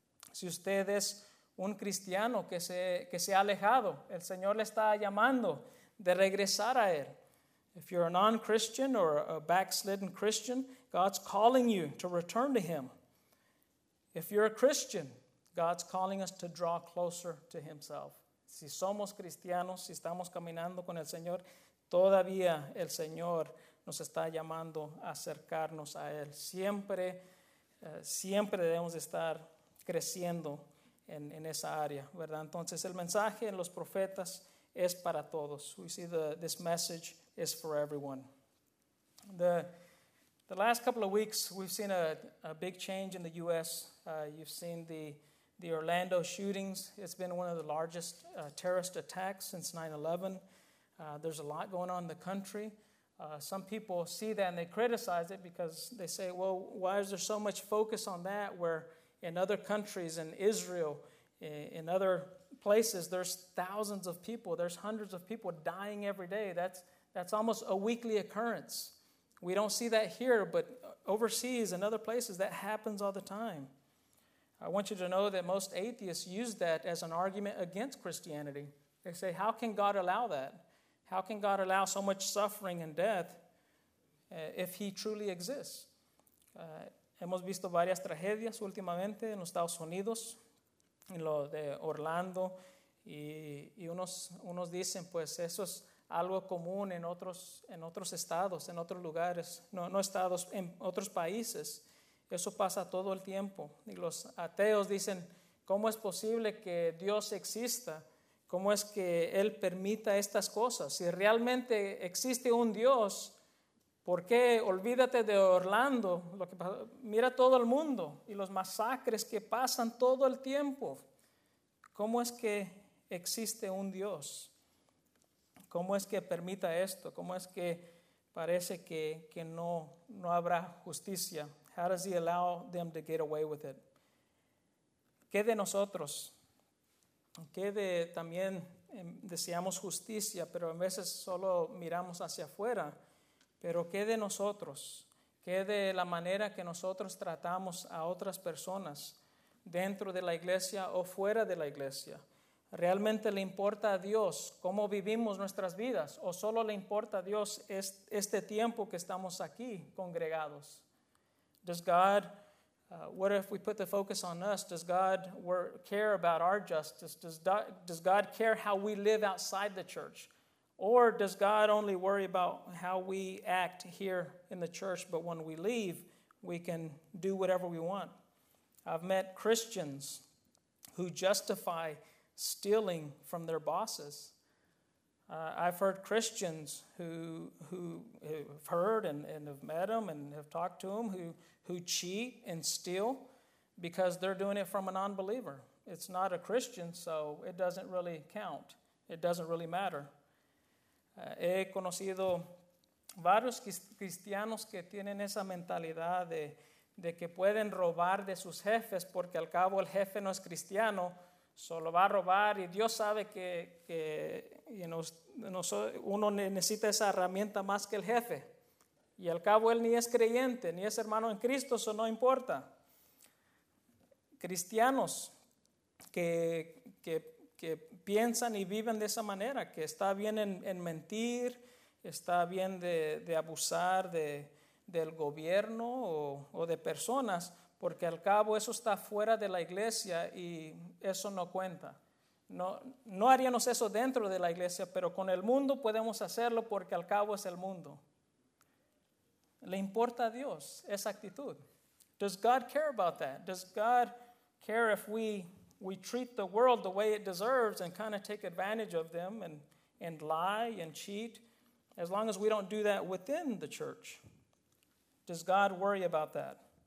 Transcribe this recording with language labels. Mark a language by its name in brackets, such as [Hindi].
[Spanish] Si usted es un cristiano que se ha alejado, el Señor le está llamando de regresar a él. [English] If you're a non-Christian or a backslidden Christian, God's calling you to return to him. If you're a Christian, God's calling us to draw closer to himself. [Spanish] Si somos cristianos, si estamos caminando con el Señor, todavía el Señor nos está llamando a acercarnos a él. Siempre, siempre debemos estar creciendo en esa área, ¿verdad? Entonces, el mensaje en los profetas es para todos. [English] We see this message is for everyone. The last couple of weeks, we've seen a big change in the U.S. You've seen the Orlando shootings. It's been one of the largest terrorist attacks since 9/11. There's a lot going on in the country. Some people see that and they criticize it because they say, well, why is there so much focus on that, where in other countries, in Israel, in other places, there's thousands of people, there's hundreds of people dying every day. That's almost a weekly occurrence. We don't see that here, but overseas and other places, that happens all the time. I want you to know that most atheists use that as an argument against Christianity. They say, how can God allow that? How can God allow so much suffering and death if he truly exists? [Spanish] Hemos visto varias tragedias últimamente en los Estados Unidos, en lo de Orlando, y unos dicen, pues eso es algo común en otros estados, en otros lugares, no estados, en otros países. Eso pasa todo el tiempo. Y los ateos dicen, ¿cómo es posible que Dios exista? ¿Cómo es que Él permita estas cosas? Si realmente existe un Dios, ¿por qué? Olvídate de Orlando. Mira todo el mundo y los masacres que pasan todo el tiempo. ¿Cómo es que existe un Dios? ¿Cómo es que permita esto? ¿Cómo es que parece que no habrá justicia? [English] How does he allow them to get away with it? [Spanish] ¿Qué de nosotros? ¿Qué de también deseamos justicia, pero a veces solo miramos hacia afuera? ¿Pero qué de nosotros? ¿Qué de la manera que nosotros tratamos a otras personas dentro de la iglesia o fuera de la iglesia? ¿Realmente le importa a Dios cómo vivimos nuestras vidas? ¿O solo le importa a Dios este tiempo que estamos aquí congregados? [English] Does God, what if we put the focus on us? Does God care about our justice? Does God care how we live outside the church? Or does God only worry about how we act here in the church, but when we leave, we can do whatever we want? I've met Christians who justify stealing from their bosses. I've heard Christians who have heard and have met them and have talked to them who cheat and steal because they're doing it from a non-believer. It's not a Christian, so it doesn't really count. It doesn't really matter. [Spanish] He conocido varios cristianos que tienen esa mentalidad de que pueden robar de sus jefes porque al cabo el jefe no es cristiano, solo va a robar y Dios sabe que uno necesita esa herramienta más que el jefe. Y al cabo él ni es creyente, ni es hermano en Cristo, eso no importa. Cristianos que piensan y viven de esa manera, que está bien en mentir, está bien de abusar del gobierno o de personas, porque al cabo eso está fuera de la iglesia y eso no cuenta. No haríamos eso dentro de la iglesia, pero con el mundo podemos hacerlo porque al cabo es el mundo. ¿Le importa a Dios esa actitud? [English] Does God care about that? Does God care if we treat the world the way it deserves and kind of take advantage of them and lie and cheat, as long as we don't do that within the church? Does God worry about that?